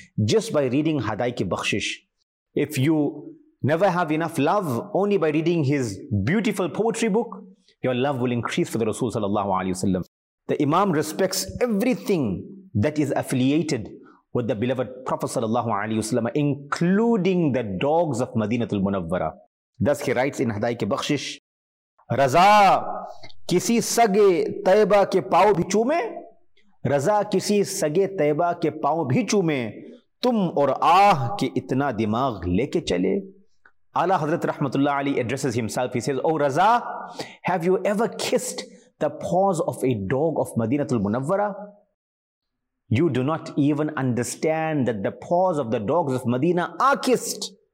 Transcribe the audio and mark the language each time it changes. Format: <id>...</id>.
<en>Just by reading Hadaik-e-Bakhshish, if you never have enough love, only by reading his beautiful poetry book, your love will increase for the Rasul sallallahu alaihi wasallam. The Imam respects everything that is affiliated with the beloved Prophet sallallahu alaihi wasallam, including the dogs of Madinatul Munawwara. Thus he writes in Hadaik-e-Bakhshish,</en> <ur>رضا کسی سگے طیبہ کے پاؤں بھی چومے, رضا کسی سگے طیبہ کے پاؤں بھی چومے, تم اور آہ کے اتنا دماغ لے کے چلے.</ur> <en>اعلی حضرت رحمت اللہ علی addresses himself, he says, oh Raza, have you ever kissed the paws of a dog of Medina المنورہ? You do not even understand that the paws of the dogs of Medina are kissed.</en>